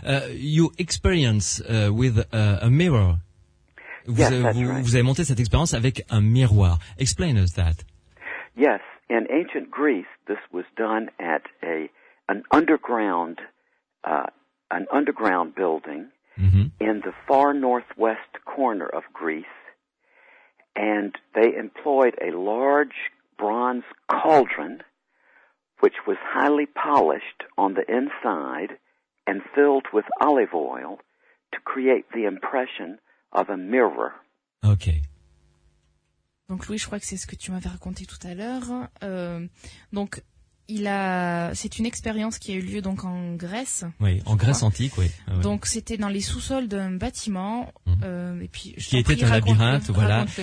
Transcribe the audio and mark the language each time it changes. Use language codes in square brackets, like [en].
[en] You experience with a mirror. [fr] Vous avez monté cette expérience avec un miroir. [en] Explain us that. Yes, in ancient Greece, this was done at an underground building in the far northwest corner of Greece, and they employed a large bronze cauldron, which was highly polished on the inside and filled with olive oil to create the impression of a mirror. Okay. [fr] Donc Louis, je crois que c'est ce que tu m'avais raconté tout à l'heure. Donc c'est une expérience qui a eu lieu donc en Grèce. Oui, en Grèce antique, oui. Donc c'était dans les sous-sols d'un bâtiment. Et puis qui était un labyrinthe, voilà.